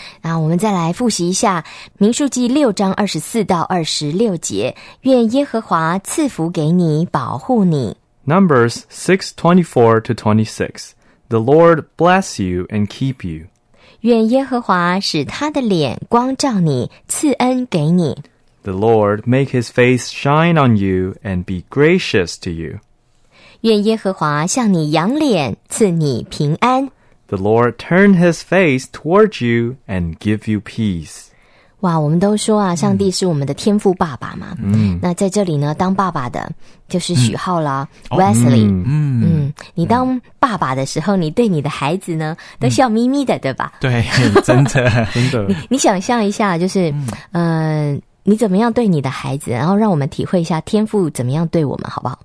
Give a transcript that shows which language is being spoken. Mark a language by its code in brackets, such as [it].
[zh] 那我们再来复习一下民数记六章二十四到二十六节。愿耶和华赐福给你，保护你。 [en] Numbers 6:24-26. The Lord bless you and keep you. [zh] 愿耶和华使他的脸光照你，赐恩给你。 [en] The Lord make his face shine on you and be gracious to you. [zh] 愿耶和华向你扬脸，赐你平安。 [en] The Lord turn his face towards you and give you peace. [zh] 哇，我们都说啊，上帝是我们的天父爸爸嘛。嗯，那在这里呢，当爸爸的就是许浩了，Wesley。嗯嗯，你当爸爸的时候，你对你的孩子呢，都笑眯眯的，对吧？对，真的真的。你想象一下，就是你怎么样对你的孩子，然后让我们体会一下天父怎么样对我们，好不好？